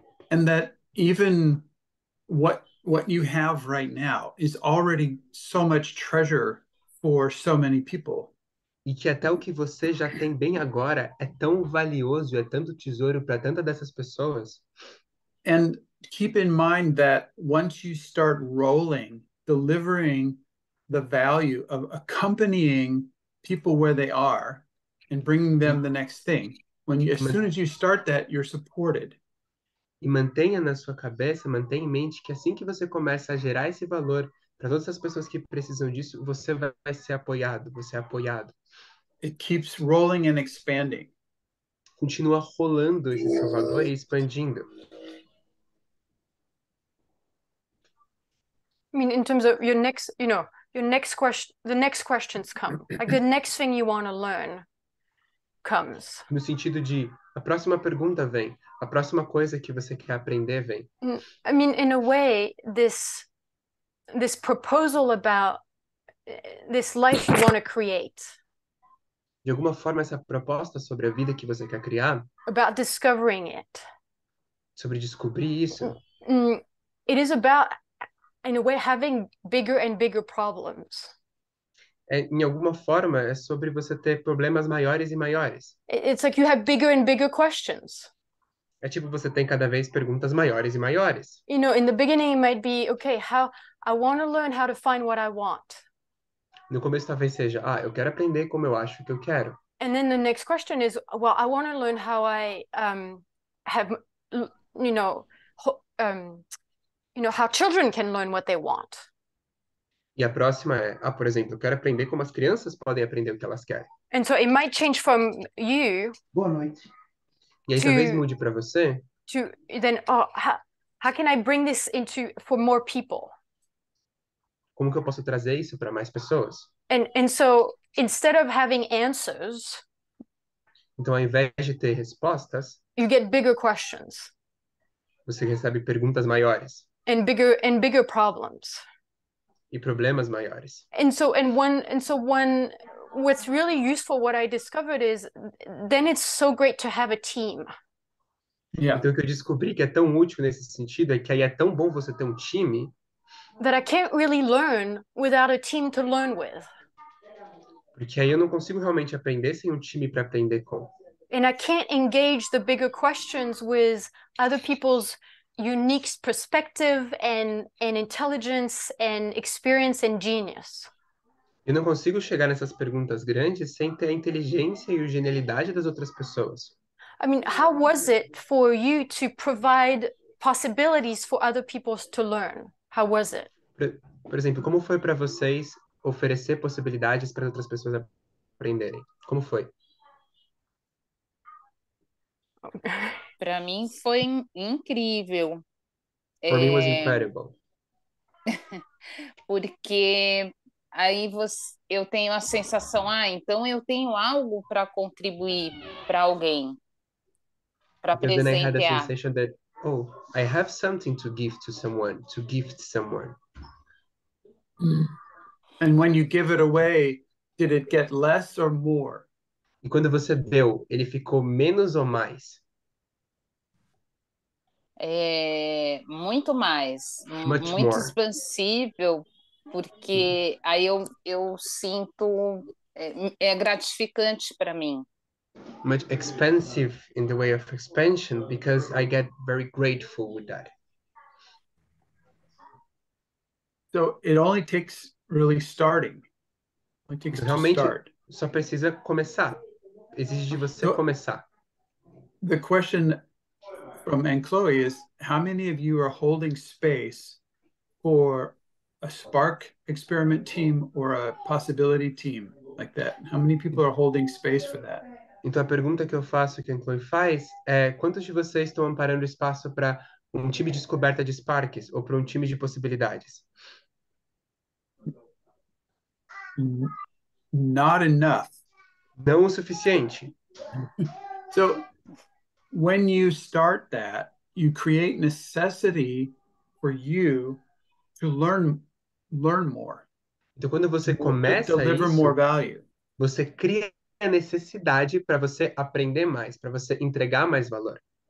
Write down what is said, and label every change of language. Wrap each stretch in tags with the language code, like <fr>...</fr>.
<en>And that even what you have right now is already so much treasure for so many people.</en> <pt>E que até o que você já tem bem agora é tão valioso, é tanto tesouro para tantas dessas pessoas.</pt> <en>And keep in mind that once you start rolling, delivering the value of accompanying people where they are and bringing them the next thing, as soon as you start that, you're supported.</en> <pt>E mantenha na sua cabeça, mantenha em mente que assim que você começa a gerar esse valor para todas as pessoas que precisam disso, você vai ser apoiado, você é apoiado.</pt> <en>It keeps rolling and expanding.</en> <pt>Continua rolando esse seu valor e expandindo.</pt> <en>I mean, in terms of your next question, the next questions come. Like the next thing you want to learn comes.</en> <pt>No sentido de, a próxima pergunta vem, a próxima coisa que você quer aprender vem.</pt> <en>I mean, in a way, this proposal about this life you want to create,</en> <pt>De alguma forma, essa proposta sobre a vida que você quer criar,</pt> <en>about discovering it,</en> <pt>sobre descobrir isso.</pt> <en>it is about. In a way, having bigger and bigger problems.</en> <pt>É, em alguma forma, é sobre você ter problemas maiores e maiores.</pt> <en>It's like you have bigger and bigger questions.</en> <pt>É tipo você tem cada vez perguntas maiores e maiores.</pt> <en>In the beginning, it might be, okay, how I want to learn how to find what I want.</en> <pt>No começo talvez seja, ah, eu quero aprender como eu acho que eu quero.</pt> <en>And then the next question is, well, I want to learn how I have, how children can learn what they want.</en> <pt>E a próxima é, ah, por exemplo, eu quero aprender como as crianças podem aprender o que elas querem.</pt> <en>And so it might change from you.</en> <pt>Boa noite. E aí talvez mude para você.</pt> <en>To then, how can I bring this into for more people?</en> <pt>Como que eu posso trazer isso para mais pessoas?</pt> <en>And so instead of having answers,</en> <pt>então ao invés de ter respostas,</pt> <en>you get bigger questions.</en> <pt>Você recebe perguntas maiores.</pt> <en>And bigger problems.</en> <pt>E problemas maiores.</pt> <en>And so one what's really useful, what I discovered is then it's so great to have a team. Yeah.</en> <pt>Então o que eu descobri que é tão útil nesse sentido é que aí é tão bom você ter um time.</pt> <en>That I can't really learn without a team to learn with.</en> <pt>Porque aí eu não consigo realmente aprender sem um time para aprender com.</pt> <en>And I can't engage the bigger questions with other people's unique perspective and intelligence and experience and genius.</en> <pt>Eu não consigo chegar nessas perguntas grandes sem ter a inteligência e a genialidade das outras pessoas.</pt> <en>I mean, how was it for you to provide possibilities for other people to learn? How was it?</en> <pt>Por exemplo, como foi para vocês oferecer possibilidades para outras pessoas aprenderem? Como foi? Para mim foi incrível.</pt> <en>For me was incredible.</en> <pt>Porque aí eu tenho a sensação, então eu tenho algo para contribuir para alguém.</pt> <en>Because then I had a sensation that, I have something to give to someone, to gift someone. And when you give it away, did it get less or more?</en> <pt>E quando você deu, ele ficou menos ou mais? É muito mais.</pt> <en>Much</en> <pt>muito</pt> <en>more.</en> <pt>Expansível, porque aí eu sinto, é gratificante para mim.</pt> <en>Much expensive in the way of expansion because I get very grateful with that. So it only takes really starting. It takes</en> <pt>realmente</pt> <en>to start.</en> <pt>Só precisa começar. Exige de você</pt> <en>So</en> <pt>começar.</pt> <en>The question from Anne Chloe is, how many of you are holding space for a Spark experiment team or a possibility team like that? How many people are holding space for that?</en> <pt>Então, a pergunta que eu faço, que a Chloe faz, é quantos de vocês estão amparando espaço para um time de descoberta de Sparks ou para um time de possibilidades?</pt> <en>Not enough.</en> <pt>Não o suficiente.</pt> <en>So, when you start that, you create necessity for you to learn more.</en> <pt>Então, quando você começa isso,</pt> <en>deliver more value.</en> <pt>Você cria a necessidade para você aprender mais, para você entregar mais valor.</pt>